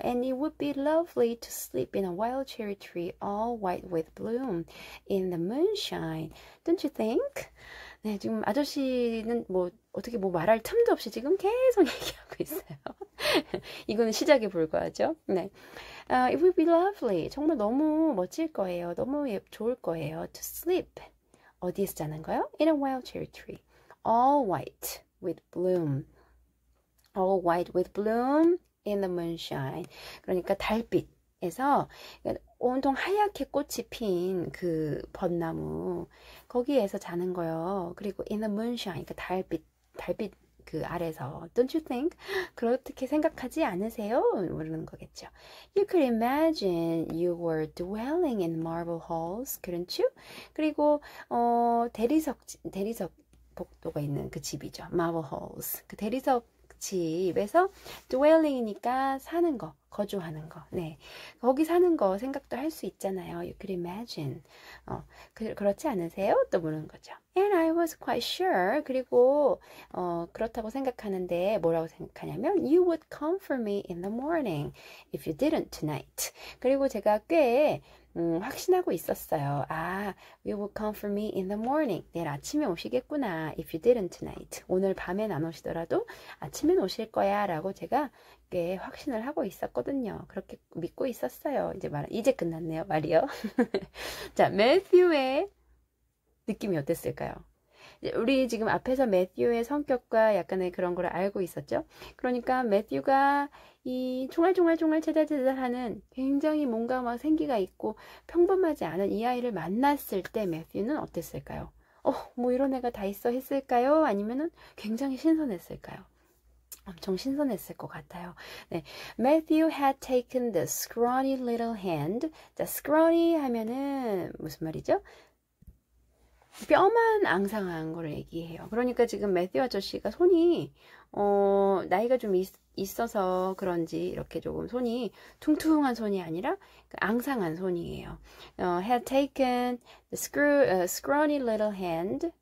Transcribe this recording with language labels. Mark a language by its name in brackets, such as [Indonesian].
[English] And it would be lovely to sleep in a wild cherry tree all white with bloom in the moonshine. Don't you think? [Korean] 네, 지금 아저씨는 뭐 어떻게 뭐 말할 틈도 없이 지금 계속 얘기하고 있어요. 이거는 시작에 불과하죠. 네. It would be lovely. 정말 너무 멋질 거예요. 너무 좋을 거예요. To sleep. 어디에서 자는 거요? [English] In a wild cherry tree. All white with bloom. All white with bloom in the moonshine. 그러니까 달빛에서 [Korean] 온통 하얗게 꽃이 핀그 벚나무 거기에서 자는 거예요. [English] 그리고 in the moonshine, 그 달빛 그 아래서 don't you think? [Korean] 그렇게 생각하지 않으세요? 이러는 거겠죠. [English] You could imagine you were dwelling in marble halls, couldn't you? [Korean] 그리고 대리석 복도가 있는 그 집이죠. Marble halls. 그 대리석 집에서 dwelling이니까 사는 거, 거주하는 거. 네. 거기 사는 거 생각도 할수 있잖아요. You could imagine. 그렇지 않으세요? 또 물은 거죠. [English] And I was quite sure. 그리고 그렇다고 생각하는데 뭐라고 생각하냐면 you would come for me in the morning if you didn't tonight. [Korean] 그리고 제가 꽤 확신하고 있었어요. [English] 아, you will come for me in the morning. [Korean] 내일 아침에 오시겠구나. [English] If you didn't tonight. [Korean] 오늘 밤엔 안 오시더라도 아침엔 오실 거야. 라고 제가 꽤 확신을 하고 있었거든요. 그렇게 믿고 있었어요. 이제 끝났네요. 말이요. 자, 매튜의 느낌이 어땠을까요? 우리 지금 앞에서 매튜의 성격과 약간의 그런 걸 알고 있었죠? 그러니까 매튜가 이 총알총알총알 체잘체잘하는 굉장히 뭔가 막 생기가 있고 평범하지 않은 이 아이를 만났을 때 매튜는 어땠을까요? 뭐 이런 애가 다 있어 했을까요? 아니면은 굉장히 신선했을까요? 엄청 신선했을 것 같아요. [English] 네, Matthew had taken the scrawny little hand. [Korean] 자, scrawny 하면은 무슨 말이죠? 뼈만 앙상한 걸 얘기해요. 그러니까 지금 매튜 아저씨가 손이 나이가 좀 있어서 그런지 이렇게 조금 손이 퉁퉁한 손이 아니라 앙상한 손이에요. [English] Had taken the scrawny little hand.